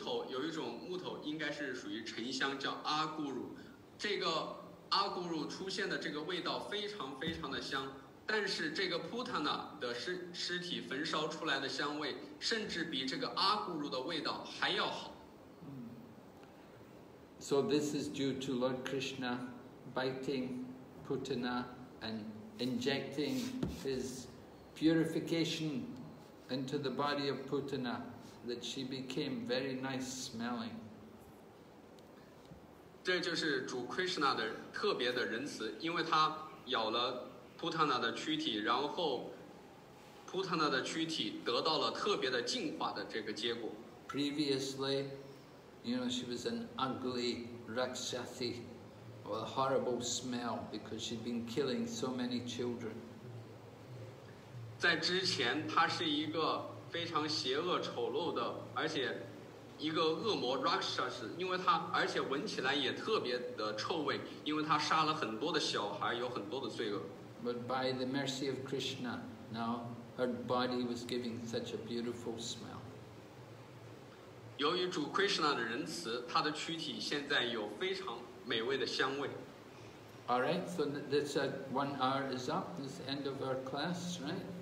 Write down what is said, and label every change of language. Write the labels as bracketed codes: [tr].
[zh] 有一种木头应该是属于沉香，叫阿古鲁。这个阿古鲁出现的这个味道非常非常的香，但是这个普塔纳的尸体焚烧出来的香味，甚至比这个阿古鲁的味道还要好。 [en] So this is due to Lord Krishna biting Putana and injecting his purification into the body of Putana. That she became very nice smelling. [zh] 这就是主 Krishna 的特别的仁慈，因为他咬了 Putana 的躯体，然后 Putana 的躯体得到了特别的净化的这个结果。 [en] Previously, you know, she was an ugly Rakshasi, with a horrible smell because she'd been killing so many children. [zh] 在之前，她是一个。非常邪恶丑陋的，而且一个恶魔 Rakshas， 因为他而且闻起来也特别的臭味，因为他杀了很多的小孩，有很多的罪恶。 [en] But by the mercy of Krishna, now her body was giving such a beautiful smell. [zh] 由于主 Krishna 的仁慈，她的躯体现在有非常美味的香味。 [en] All right, so this one hour is up. This is the end of our class, right?